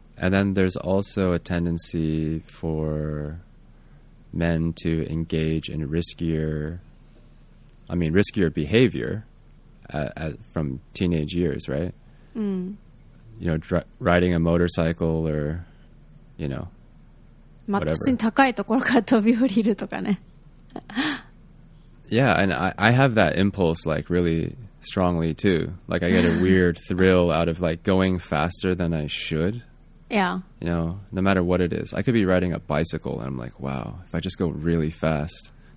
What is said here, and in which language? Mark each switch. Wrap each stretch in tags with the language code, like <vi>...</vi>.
<en>And then there's also a tendency for men to engage in riskier behavior from teenage years, right? Mm. You know, riding a motorcycle or, you know,</en> <ja>まあ、普通に高いところから飛び降りるとかね。</ja> <en>Yeah, and I have that impulse like really strongly too. Like I get a weird thrill out of like going faster than I should. Yeah. You know, no matter what it is. I could be riding a bicycle and I'm like, wow, if I just go really fast.</en>